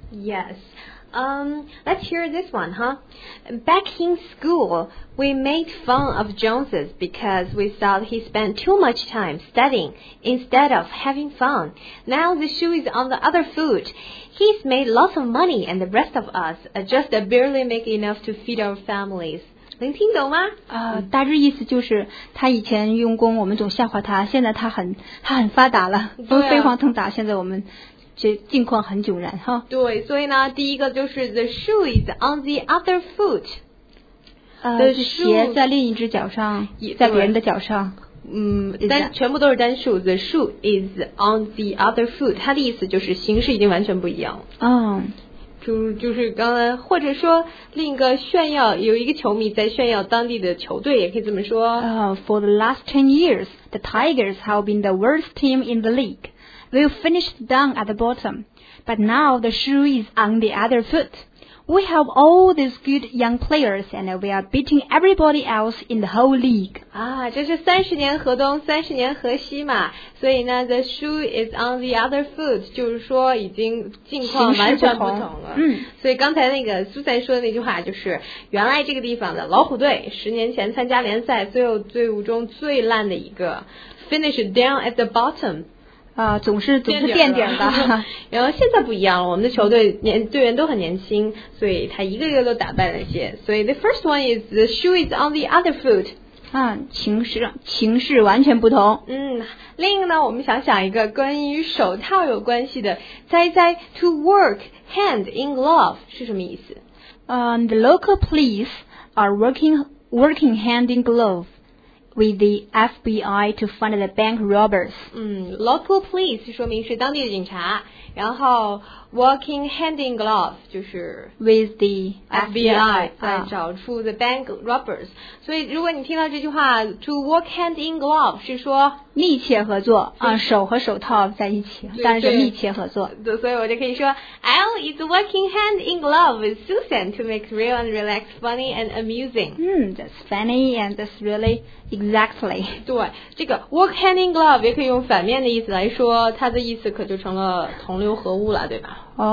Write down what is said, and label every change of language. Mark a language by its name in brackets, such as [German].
[English] Yes. Let's hear this one, huh? Back in school, we made fun of Joneses because we thought he spent too much time studying instead of having fun. Now the shoe is on the other foot. He's made lots of money and the rest of us just barely make enough to feed our families. [Chinese] 能听懂吗？大致意思就是他以前用功，我们总笑话他，现在他很发达了，都飞黄腾达，现在我们这境况很窘然哈。对，所以呢，第一个就是 [English] the shoe is on the other foot， [Chinese] 鞋在另一只脚上，在别人的脚上。全部都是单数 [English] the shoe is on the other foot， [Chinese] 它的意思就是形式已经完全不一样了。就是刚才，或者说另一个炫耀，有一个球迷在炫耀当地的球队，也可以这么说。 [English] For the last 10 years, the Tigers have been the worst team in the league. We finished down at the bottom, but now the shoe is on the other foot. We have all these good young players, and we are beating everybody else in the whole league. [Chinese] 这是30年河东，30年河西嘛。所以呢 [English] the shoe is on the other foot， [Chinese] 就是说已经境况完全不同了。所以刚才那个苏珊说的那句话就是，原来这个地方的老虎队10年前参加联赛，最后队伍中最烂的一个 [English] finished down at the bottom。 [Chinese] 总是垫底的。然后现在不一样了，我们的球队队员都很年轻，所以他一个一个都打败了一些。所以 the first one is the shoe is on the other foot。形式完全不同。另一个呢，我们想想一个关于手套有关系的，猜 [English] to work hand in glove [Chinese] 是什么意思？ [English] The local police are working hand in glove. With the FBI to find the bank robbers. Local police [Chinese] 说明是当地的警察，然后 [English] working hand in glove [Chinese] 就是 [English] with the [Chinese] FBI 在找出 [English] the bank robbers. [Chinese] 所以如果你听到这句话 [English] to work hand in glove [Chinese] 是说密切合作啊，手和手套在一起，但是密切合作。所以我就可以说 [English] Al is working hand in glove with Susan to make real and relaxed funny and amusing. That's funny and that's really exactly. [Chinese] 对，这个 work hand in glove 也可以用反面的意思来说，它的意思可就成了同流合污了，对吧？